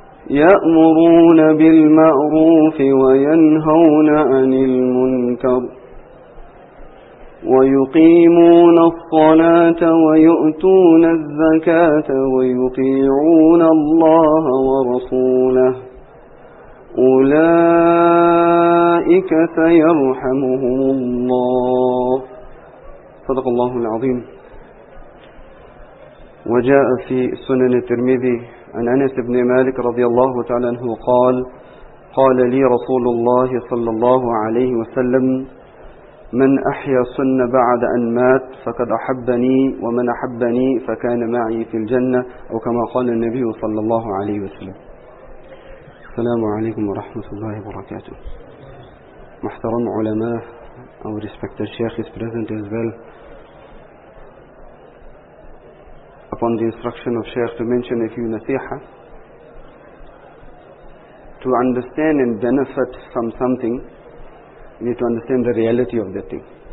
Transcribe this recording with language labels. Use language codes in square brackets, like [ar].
[ar] يأمرون بالمعروف وينهون عن المنكر ويقيمون الصلاة ويؤتون الزكاة ويطيعون الله ورسوله أولئك سيرحمهم الله. صدق الله العظيم. وجاء في سنن الترمذي عن أنس بن مالك رضي الله تعالى عنه قال قال لي رسول الله صلى الله عليه وسلم من أحيا سنة بعد أن مات فقد أحبني ومن أحبني فكان معي في الجنة أو كما قال النبي صلى الله عليه وسلم. السلام عليكم ورحمة الله وبركاته. محترم علماء أو [en] respected شيخ is present as well. Upon the instruction of Shaykh to mention a few nasiha to understand and benefit from something, we need to understand the reality of that thing.